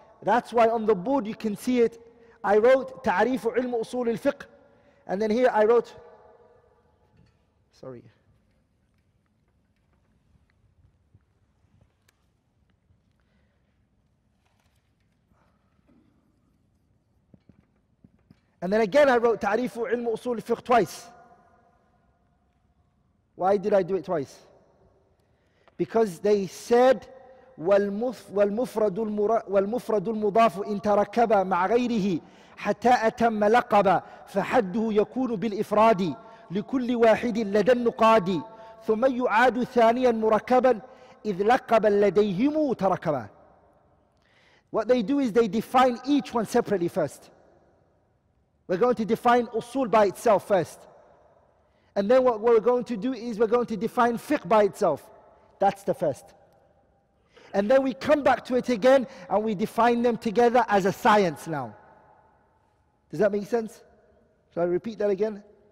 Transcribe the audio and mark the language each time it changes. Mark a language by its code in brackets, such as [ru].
[en] That's why on the board you can see it. I wrote Ta'rifu Ilmu Usul Al Fiqh, and then here I wrote, and then again I wrote Ta'rifu Ilmu Usul Al Fiqh twice. Why did I do it twice? Because they said [ar] والمفرد المضاف إن تركب مع غيره حتى أتم لقبا فحده يكون بالإفراد لكل واحد لدى النقاد ثم يعاد ثانيا مركبا إذ لقبا لديهم تركبا. [en] What they do is they define each one separately first. We're going to define أصول by itself first. And then what we're going to do is we're going to define fiqh by itself. That's the first. And then we come back to it again and we define them together as a science now. Does that make sense? Shall I repeat that again?